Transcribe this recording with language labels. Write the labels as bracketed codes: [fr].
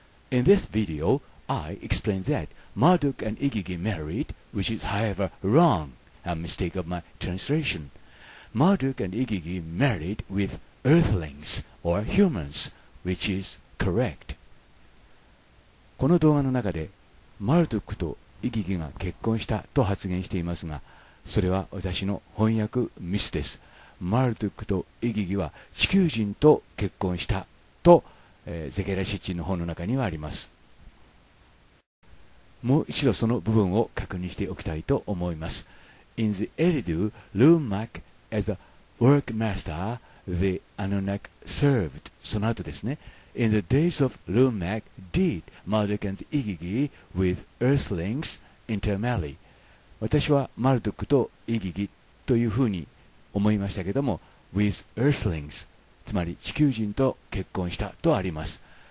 [en] In this video, I explained that Marduk and Igigi married, which is however wrong, a mistake of my translation. Marduk and Igigi married withEarthlings or humans, which is correct. [ja] この動画の中でマルドゥックとイギギが結婚したと発言していますが、それは私の翻訳ミスです。マルドゥックとイギギは地球人と結婚したと、ゼケラシッチンの本の中にはあります。もう一度その部分を確認しておきたいと思います。 [en] In the Eridu, Lumac as a workmasterThe Anunnaki served. [ja] その後ですね。 [en] In the days of Lumac did Marduk and Igigi with earthlings intermarry. [ja] 私はマルドゥックとイギギというふうに思いましたけども、 [en] with earthlings [ja] つまり地球人と結婚したとあります。